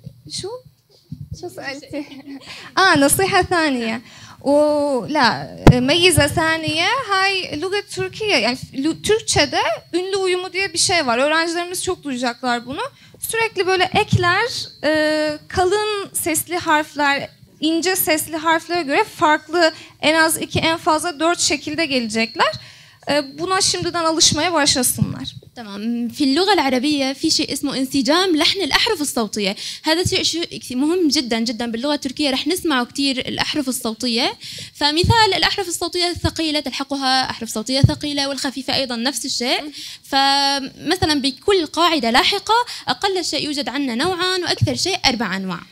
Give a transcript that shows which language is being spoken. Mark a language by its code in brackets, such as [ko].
[ar] شو؟ شو سألتي؟ نصيحة ثانية ولا ميزة ثانية، هاي لغة تركية. [tr] يعني Türkçe'de ünlü uyumu diye bir şey var. Öğrencilerimiz çok duyacaklar bunu. Sürekli böyle ekler, kalın sesli harfler, ince sesli harflere göre farklı en az 2 en fazla 4 şekilde gelecekler. Buna şimdiden alışmaya başlasınlar. [ar] تمام. في اللغة العربية في شيء اسمه انسجام لحن الأحرف الصوتية، هذا شيء مهم جدا جدا باللغة التركية، رح نسمعه كثير الأحرف الصوتية. فمثال الأحرف الصوتية الثقيلة تلحقها أحرف صوتية ثقيلة، والخفيفة أيضا نفس الشيء. فمثلا بكل قاعدة لاحقة أقل شيء يوجد عندنا نوعان وأكثر شيء أربع أنواع.